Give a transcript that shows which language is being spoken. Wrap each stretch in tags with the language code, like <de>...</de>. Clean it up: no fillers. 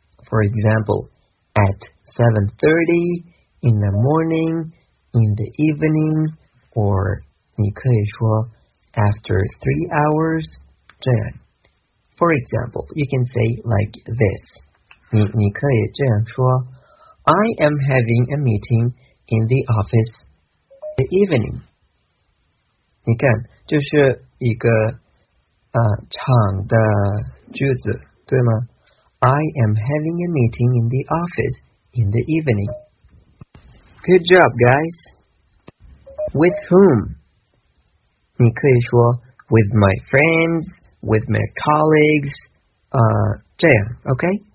<en>For example, at 7:30, in the morning, in the evening, or</en> <zh>你可以说</zh> <en>after 3 hours.</en> <zh>这样.</zh> <en>For example, you can say like this.</en> <zh>你可以这样说,</zh> <en>I am having a meeting in the office in the evening.</en> <zh>你看，就是一个长的句子，对吗？</zh> <en>I am having a meeting in the office in the evening. Good job, guys. With whom?</en> <zh>你可以说</zh> <en>with my friends, with my colleagues,</en> <zh>这样</zh> <en>,OK?</en>